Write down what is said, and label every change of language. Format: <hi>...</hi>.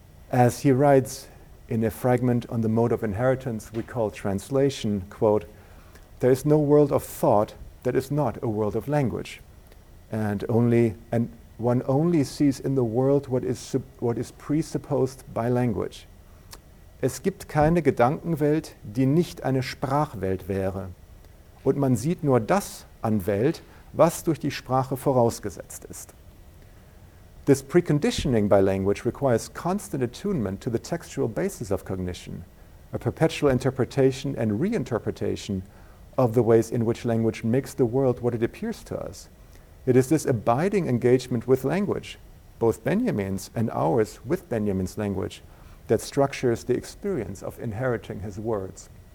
<en>As he writes in a fragment on the mode of inheritance we call translation, quote, "There is no world of thought that is not a world of language, and one only sees in the world what is presupposed by language.</en> <de>Es gibt keine Gedankenwelt, die nicht eine Sprachwelt wäre. Und man sieht nur das an Welt, was durch die Sprache vorausgesetzt ist."</de> <en>This preconditioning by language requires constant attunement to the textual basis of cognition, a perpetual interpretation and reinterpretation of the ways in which language makes the world what it appears to us. It is this abiding engagement with language, both Benjamin's and ours with Benjamin's language, that structures the experience of inheriting his words.</en>